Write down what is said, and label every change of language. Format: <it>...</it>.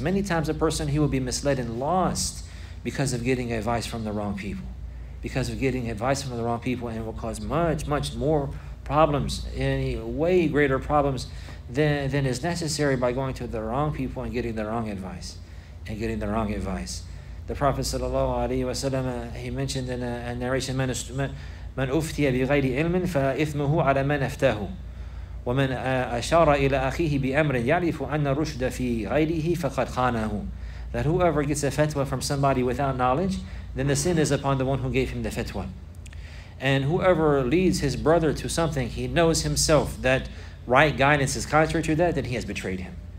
<en>Many times a person, he will be misled and lost because of getting advice from the wrong people. And will cause much, much more problems, any way greater problems than is necessary by going to the wrong people and getting the wrong advice. The Prophet sallallahu alaihi wasallam, he mentioned in a narration,</en> <ar>من أفتي بغير علم فإثمه على من أفتاه ومن أشار إلى أخيه بأمر يعرف أن الرشد في غيره فقد خانه.</ar> <en>That whoever gets a fatwa from somebody without knowledge, then the sin is upon the one who gave him the fatwa. And whoever leads his brother to something he knows himself that right guidance is contrary to that, then he has betrayed him.</en>